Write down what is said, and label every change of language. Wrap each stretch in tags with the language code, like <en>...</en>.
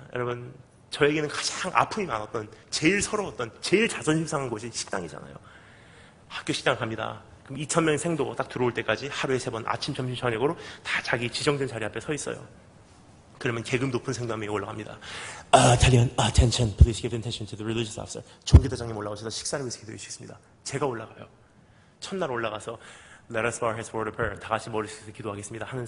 <ko>여러분, 저에게는 가장 아픔이 많았던, 제일 서러웠던, 제일 자존심 상한 곳이 식당이잖아요. 학교 식당 갑니다. 그럼 2,000명 생도 딱 들어올 때까지 하루에 3번 아침, 점심, 저녁으로 다 자기 지정된 자리 앞에 서 있어요. 그러면 계급 높은 생도 한 명이 올라갑니다.</ko> <en>Italian attention, please give attention to the religious officer.</en> <ko>종교대장님 올라오셔서 식사를 위해서 기도해 주시겠습니다. 제가 올라가요.</ko> <en>첫날 올라가서 Let us bow our heads for a prayer.</en> <ko>다 같이 머릿속에서 기도하겠습니다.</ko>